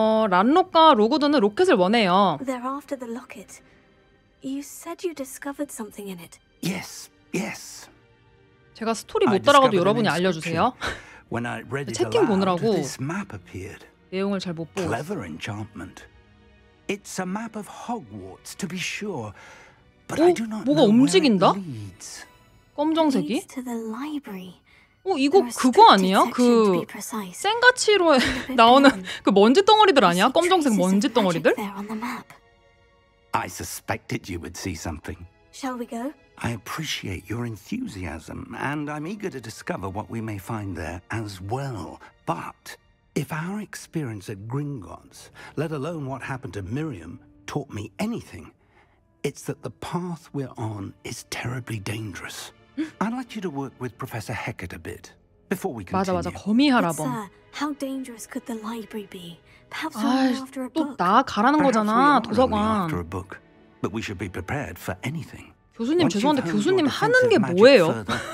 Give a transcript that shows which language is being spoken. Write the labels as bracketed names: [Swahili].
[Korean] 란록과 로그드는 로켓을 원해요. [English] They're after the locket. You said you discovered something in it. Yes, yes. [Korean] 제가 스토리 못 따라가도 여러분이 알려주세요. 책임 보느라고 내용을 잘 못 보. [English] Clever enchantment. It's a map of Hogwarts, to be sure. But I do not know where it leads. [Korean] 뭐가 움직인다? 검정색이? [English] Leads to the library. [Korean] 어, 이거 그거 아니야? 그 센과치로에 나오는 그 먼지 덩어리들 아니야? 검정색 먼지 덩어리들? [English] I suspected you would see something. Shall we go? I appreciate your enthusiasm and I'm eager to discover what we may find there as well. But if our experience at Gringotts, let alone what happened to Miriam, taught me anything, it's that the path we're on is terribly dangerous. I'd like you to work with Professor Hecate a bit before we continue. [Korean] 맞아, 맞아. 거미 할아범. [English] But, sir, how dangerous could the library be? Perhaps we're after a book. [Korean] 또 나 가라는 거잖아, 도서관. [English] But we should be prepared for anything. [Korean] 교수님 죄송한데 교수님 하는 게 뭐예요?